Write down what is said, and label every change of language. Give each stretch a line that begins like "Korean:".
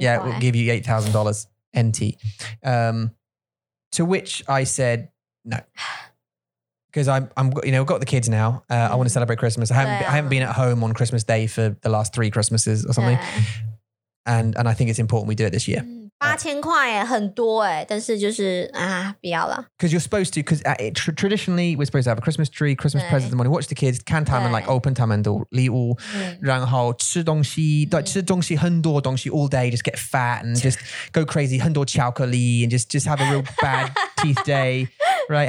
English: Yeah, we'll give you $8,000. NT. To which I said, no. Because I'm, you know, I've got the kids now. I want to celebrate Christmas. I haven't been at home on Christmas Day for the last three Christmases or something. And I think it's important we do it this year.
Chinese: 8,000块耶，很多哎，但是就是啊，不要了。
English: Because you're supposed to, because traditionally we're supposed to have a Christmas tree, Christmas presents, and when you watch the kids, can time and like open time and do
Chinese: 礼物，然后吃东西，对，吃东西很多东西
English: all day, just get fat and just go crazy,
Chinese: 很多巧克力
English: and just have a real bad teeth day, right?